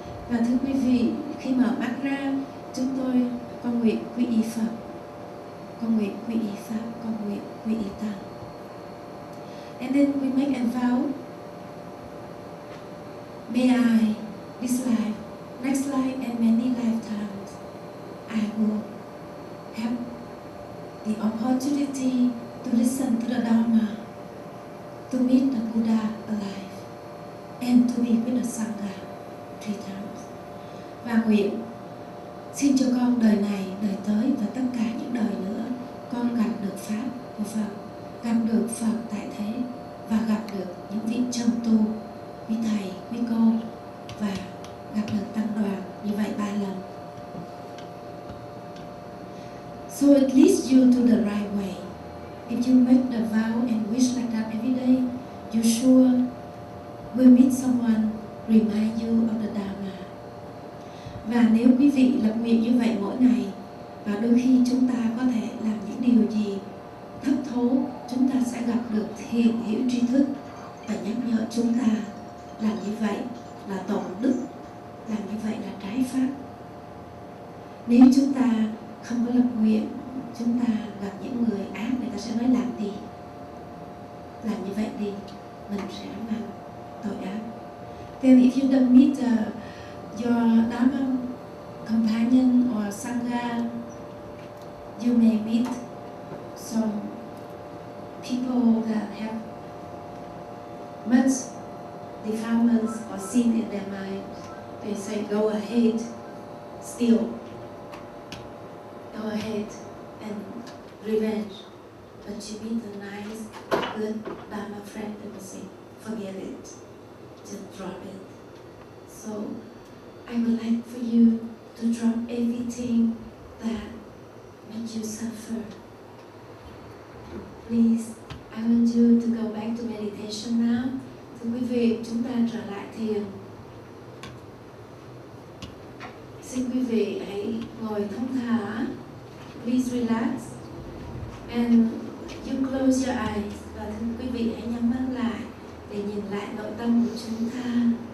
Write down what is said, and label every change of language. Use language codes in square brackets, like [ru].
[vi] Và thưa quý vị, khi mở mắt ra, chúng tôi con nguyện quy y Phật, con nguyện quy y Pháp, con nguyện quy y Tăng. [en] And then we make a vow. May I, this life, next life, and many lifetimes, I will have the opportunity to listen to the Dharma, to meet the Buddha alive, and to be with the Sangha three times. [vi] Và nguyện xin cho con đời này, đời tới và tất cả những đời nữa, con gặp được Pháp của Phật, gặp được Phật tại thế, và gặp được những vị chân tu, quý thầy, quý cô, và gặp được tăng đoàn như vậy ba lần. [en] So it leads you to the right way. If you make the vow and wish like that every day, you sure will meet someone remind you of the Dharma. [vi] Và nếu quý vị lập nguyện như vậy mỗi ngày, và đôi khi chúng ta có thể làm những điều gì thấp thố, chúng ta sẽ gặp được thiện hữu tri thức và nhắc nhở chúng ta làm như vậy là tổn đức, làm như vậy là trái pháp. Nếu chúng ta không có lập nguyện, chúng ta gặp những người ác, người ta sẽ nói làm gì, làm như vậy đi, mình sẽ mang tội ác. [en] Then if you don't meet your Dharma companion or Sangha, you may meet some people that have much defilements or sin in their mind. They say, go ahead, steal. Go ahead and revenge. But you meet a nice, good Dharma friend and you say, forget it. Just drop it. So I would like for you to drop everything that makes you suffer. Please, I want you to go back to meditation now. [vi] Thưa quý vị, chúng ta trở lại thiền. Xin quý vị hãy ngồi thông thả. [en] Please relax. And you close your eyes. [vi] Và thưa quý vị hãy nhắm mắt lại để nhìn lại nội tâm của chúng ta.